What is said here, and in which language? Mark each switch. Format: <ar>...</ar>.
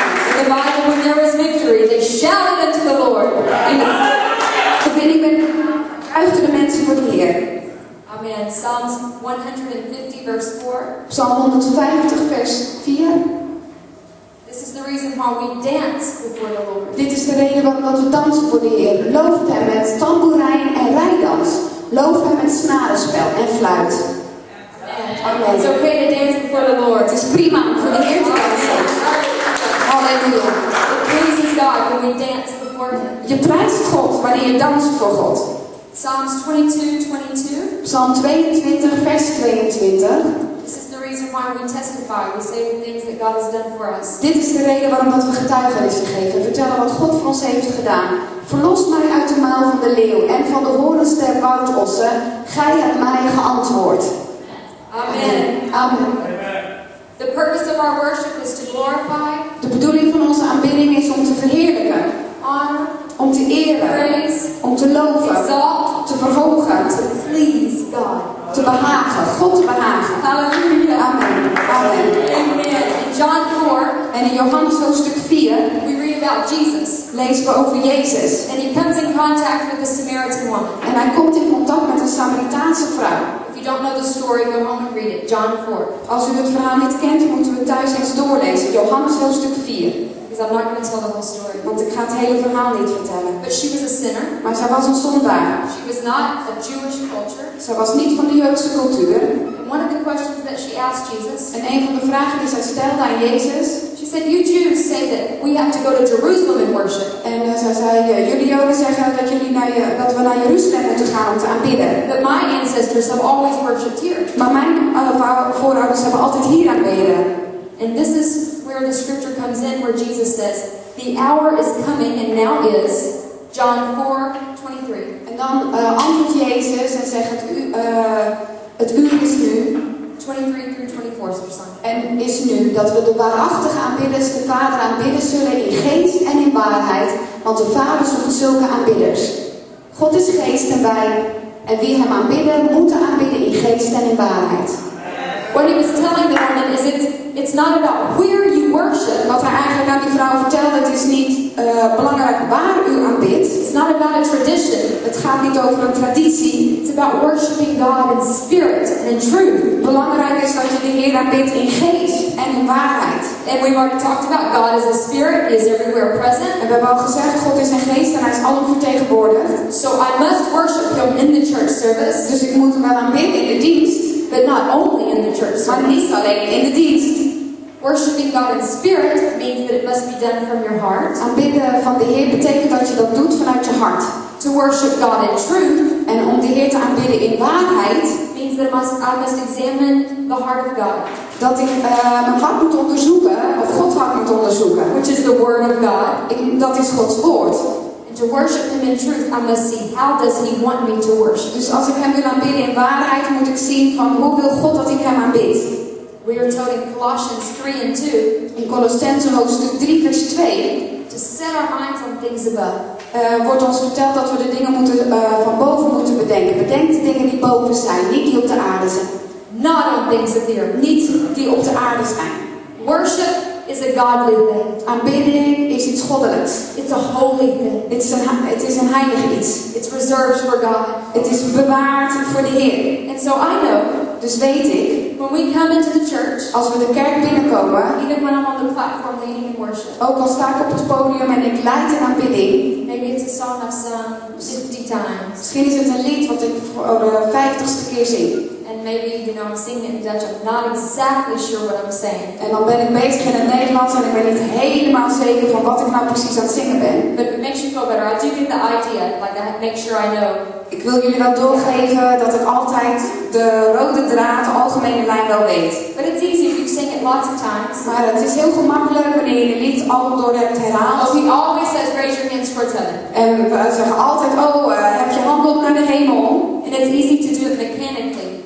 <en>In the Bible, when there is victory, they shout unto the Lord.</en> <nl>In de winning met juichten de mensen voor de Heer.</nl> <en>Amen. Psalms 150 verse 4.</en> <nl>Psalm 150 vers 4.</nl> <en>Reason why we dance before the Lord.</en> <nl>Dit is de reden waarom we dansen voor de Heer. Loof hem met tamboerijn en rijdans. Loof hem met snarenspel en fluit. Amen.</nl> <en>It's okay to dance before the Lord.</en> <nl>Het is prima om voor de Heer te dansen. Halleluja.</nl> <en>It praises God when we dance before Him.</en> <nl>Je prijst God wanneer je danst voor God.</nl> <en>Psalms 22:22.</en> <nl>Psalm 22, vers 22.</nl> <en>This is the reason why we testify. We say the things that God has done for us.</en> <nl>Dit is de reden waarom dat we getuigenis geven. Vertellen wat God voor ons heeft gedaan. Verlos mij uit de maal van de leeuw en van de horens der woudossen. Gij hebt mij geantwoord. Amen. Amen.</nl> <en>The purpose of our worship is to glorify.</en> <nl>De bedoeling van onze aanbidding is om te verheerlijken.</nl> <en>Honor,</en> <nl>om te eren.</nl> <en>Praise,</en> <nl>om te loven.</nl> <en>Exalt,</en> <nl>te verhogen.</nl> <en>To please God.</en> <nl>Te behagen. God te behagen. Hallelujah. Amen.</nl> <en>Amen. In John 4.</en> <nl>En in Johannes hoofdstuk 4.</nl> <en>We read about Jesus.</en> <nl>Lezen we over Jezus.</nl> <en>And he comes in contact with the Samaritan woman.</en> <nl>En hij komt in contact met een Samaritaanse vrouw.</nl> <en>Don't know the story, go home and read it. John 4.</en> <nl>Als u het verhaal niet kent, moeten we thuis eens doorlezen. Johannes hoofdstuk 4.</nl> <en>Because I'm not going to tell the whole story.</en> <nl>Want ik ga het hele verhaal niet vertellen.</nl> <en>But she was a sinner.</en> <nl>Maar zij was een zondaar.</nl> <en>She was not a Jewish culture.</en> <nl>Zij was niet van de Joodse cultuur.</nl> <en>And one of the questions that she asked Jesus.</en> <nl>En een van de vragen die zij stelde aan Jezus.</nl> <en>She said, "You Jews say that we have to go to Jerusalem and worship."</en> <nl>En zij zei, jullie Joden zeggen dat jullie dat we naar Jeruzalem moeten gaan om te aanbidden.</nl> <en>But my ancestors have always worshipped here.</en> <nl>Maar mijn voorouders hebben altijd hier aanbidden.</nl> <en>And this is where the scripture comes in, where Jesus says, "The hour is coming, and now is." John 4:23.</en> <nl>En dan antwoordt Jezus en zegt het uur is nu. 23-24 is er. En is nu dat we de waarachtige aanbidders, de Vader aanbidden zullen in geest en in waarheid, want de Vader zoekt zulke aanbidders. God is geest en wij, en wie hem aanbidden, moeten aanbidden in geest en in waarheid.</nl> <en>What he was telling the woman is it's not about where you worship.</en> <nl>Wat hij eigenlijk aan die vrouw vertelde, het is niet belangrijk waar u aanbidt.</nl> <en>It's not about a tradition.</en> <nl>Het gaat niet over een traditie.</nl> <en>It's about worshiping God in spirit and in truth.</en> <nl>Belangrijk is dat je de Heer aanbidt in geest en in waarheid.</nl> <en>And we've already talked about God as a spirit, is everywhere present.</en> <nl>En we hebben al gezegd, God is een geest en hij is alom vertegenwoordigd.</nl> <en>So I must worship him in the church service.</en> <nl>Dus ik moet hem wel aanbidden in de dienst.</nl> <en>But not only in the church service.</en> <nl>Maar niet alleen in de dienst.</nl> <en>Worshiping God in spirit means that it must be done from your heart.</en> <nl>Aanbidden van de Heer betekent dat je dat doet vanuit je hart.</nl> <en>To worship God in truth.</en> <nl>En om de Heer te aanbidden in waarheid.</nl> <en>Means that I must examine the heart of God.</en> <nl>Dat ik mijn hart moet onderzoeken, of God hart moet onderzoeken.</nl> <en>Which is the word of God.</en> <nl>Dat is Gods woord.</nl> <en>To worship him in truth, I must see how does he want me to worship.</en> <nl>Dus als ik hem wil aanbidden in waarheid, moet ik zien van hoe wil God dat ik hem aanbid.</nl> <en>We are told in Colossians 3 and 2.</en> <nl>In Colossenzen hoofdstuk 3 vers 2.</nl> <en>To set our minds on things above.</en> <nl>Wordt ons verteld dat we de dingen moeten van boven moeten bedenken. Bedenk de dingen die boven zijn, niet die op de aarde zijn.</nl> <en>Not on things of the earth.</en> <nl>Niet die op de aarde zijn.</nl> <en>Worship is a godly thing.</en> <nl>Aanbidding is iets goddelijks.</nl> <en>It's a holy thing.</en> <nl>It is een heilig iets.</nl> <en>It's reserved for God.</en> <nl>Het is bewaard voor de Heer.</nl> <en>And so I know.</en> <nl>Dus weet ik.</nl> <en>When we come into the church.</en> <nl>Als we de kerk binnenkomen.</nl> <en>Even when I'm on the platform leading in worship.</en> <nl>Ook al sta ik op het podium en ik leid in aanbidding.</nl> <en>Maybe it's a song I've sung 50 times.</en> <nl>Misschien is het een lied wat ik voor de 50ste keer zing.</nl> <en>And maybe you know I'm singing in Dutch. I'm not exactly sure what I'm saying.</en> <nl>En dan ben ik bezig in het Nederlands en ik ben niet helemaal zeker van wat ik nou precies aan het zingen ben.</nl> <en>But it makes you feel better. I do get the idea. Like I make sure I know.</en> <nl>Ik wil jullie wel doorgeven dat ik altijd de rode draad, de algemene lijn wel weet.</nl> <en>But it's easy if you sing it lots of times.</en> <nl>Maar het is heel gemakkelijk wanneer je het lied al door hebt herhaald.</nl> <en>Oh, he always says raise your hands for heaven.</en> <nl>En we zeggen altijd, heb je handen op naar de hemel?</nl> <en>And it's easy to do it mechanically.</en>